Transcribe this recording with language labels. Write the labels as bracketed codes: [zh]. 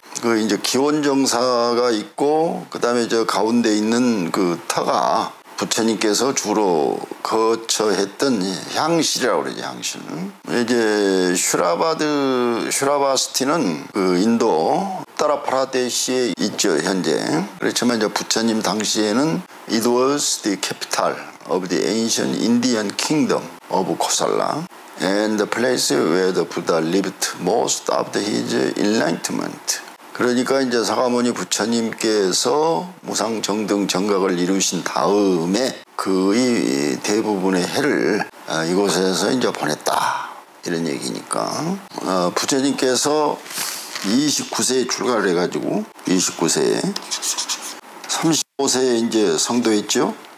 [ko] 그 이제 기원정사가 있고 그 다음에 저 가운데 있는 그 터가 부처님께서 주로 거처했던 향실이라고 그러죠, 향실. 이제, 슈라바스티는 그 인도, 우타라프라데시에 있죠, 현재. 그렇지만 이제 부처님 당시에는 [en] it was the capital of the ancient Indian kingdom of Kosala and the place where the Buddha lived most after his enlightenment. [ko] 그러니까 이제 사가모니 부처님께서 무상 정등 정각을 이루신 다음에 그의 대부분의 해를 이곳에서 이제 보냈다 이런 얘기니까 부처님께서 29세에 출가를 해가지고 29세에 35세에 이제 성도했죠.